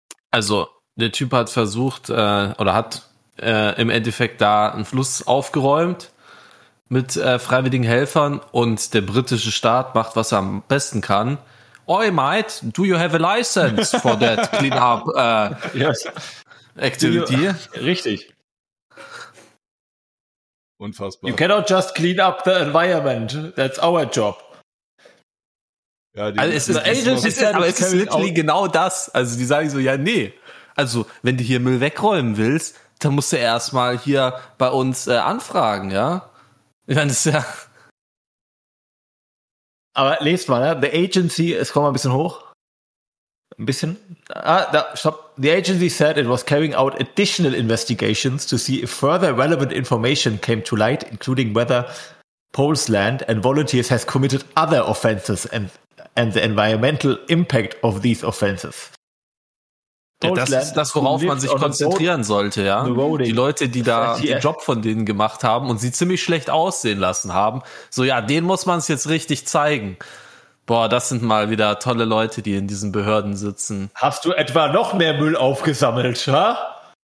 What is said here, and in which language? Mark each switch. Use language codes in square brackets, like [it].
[de] Also, der Typ hat versucht, oder hat im Endeffekt da einen Fluss aufgeräumt mit freiwilligen Helfern und der britische Staat macht, was er am besten kann. [en] Oi, mate, do you have a license for that clean-up yes. activity? [de] Richtig. Unfassbar. [en] You cannot just clean up the environment. That's our job. [de] Ja, es ist literally genau das. Also die sagen so, ja, nee. Also wenn du hier Müll wegräumen willst, dann musst du erstmal hier bei uns anfragen, ja? Ich meine, das ist ja... Aber lest mal, ne? The agency, es kommt mal ein bisschen hoch. Ein bisschen. Ah, da, stopp. [en] The agency said it was carrying out additional investigations to see if further relevant information came to light, including whether Paul's land and volunteers has committed other offenses and the environmental impact of these offenses. [de] Ja, das ist das, worauf man sich konzentrieren sollte, ja. Die Leute, die da den Job von denen gemacht haben und sie ziemlich schlecht aussehen lassen haben, so ja, denen muss man es jetzt richtig zeigen. Boah, das sind mal wieder tolle Leute, die in diesen Behörden sitzen. Hast du etwa noch mehr Müll aufgesammelt, ha?